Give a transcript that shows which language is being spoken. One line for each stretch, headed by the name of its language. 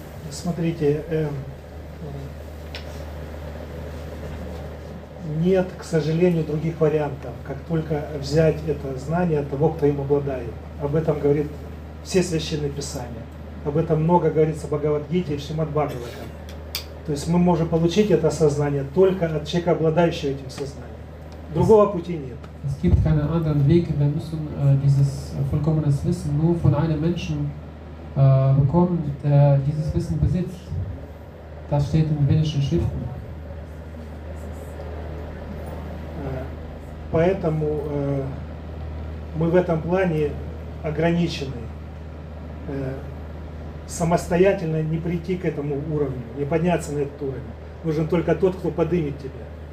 Russian: Смотрите, нет, к сожалению, других вариантов, как только взять это знание от того, кто им обладает. Об этом говорит все священные писания. Об этом много говорится в Бхагавад-гите и в Шримад-Бхагаватам. То есть мы можем получить это сознание только от человека, обладающего этим сознанием. Другого пути нет.
German: Es gibt keinen anderen Weg, wir müssen dieses vollkommene Wissen nur von einem Menschen bekommen, der dieses Wissen besitzt. Das steht in vedischen Schriften.
Russian: Поэтому мы в этом плане ограничены. Самостоятельно не прийти к этому уровню, не подняться на этот уровень. Нужен только тот, кто подымет тебя.